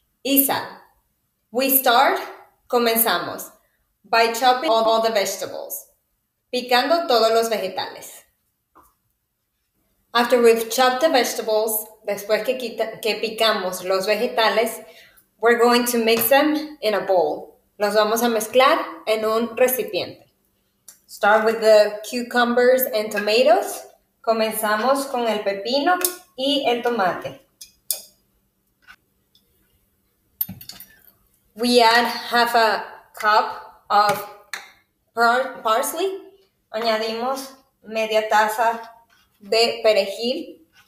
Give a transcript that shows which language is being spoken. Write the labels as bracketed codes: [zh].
[en] Isa, we start, [es] comenzamos, [en] by chopping all the vegetables, [es] picando todos los vegetales. [en] After we've chopped the vegetables, [es] después que picamos los vegetales, [en] we're going to mix them in a bowl. [es] Los vamos a mezclar en un recipiente. [en] Start with the cucumbers and tomatoes. [es] Comenzamos con el pepino y el tomate. [en] We add half a cup of parsley. [es] Añadimos media taza de perejil.